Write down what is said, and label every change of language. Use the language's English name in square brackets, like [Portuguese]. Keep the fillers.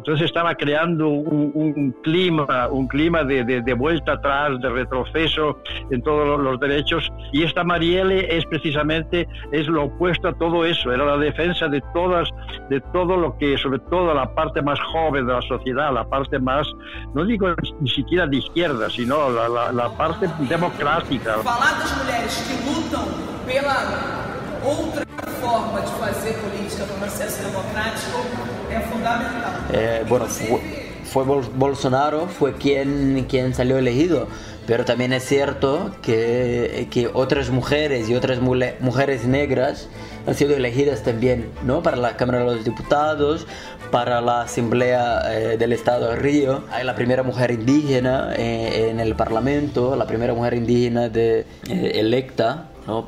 [Spanish] Entonces estaba creando un, un clima, un clima de, de- de vuelta atrás, de retroceso en todos los, los derechos. Y esta Marielle es precisamente es lo opuesto a todo eso, era la defensa de todas, de todo lo que, sobre todo la parte más joven de la sociedad, la parte más, no digo ni siquiera de izquierda, sino la, la- la parte democrática. [Portuguese] Falar das mulheres que lutam pela outra forma de fazer política, pelo processo democrático, é fundamental. [Spanish] Eh, bueno, fu- fue, Bol- Bolsonaro, fue quien, quien salió elegido, pero también es cierto que, que otras mujeres y otras mule- mujeres negras han sido elegidas también, ¿no? Para la Cámara de los Diputados, para la Asamblea eh, del Estado de Río, hay la primera mujer indígena eh, en el Parlamento, la primera mujer indígena de, eh, electa, ¿no?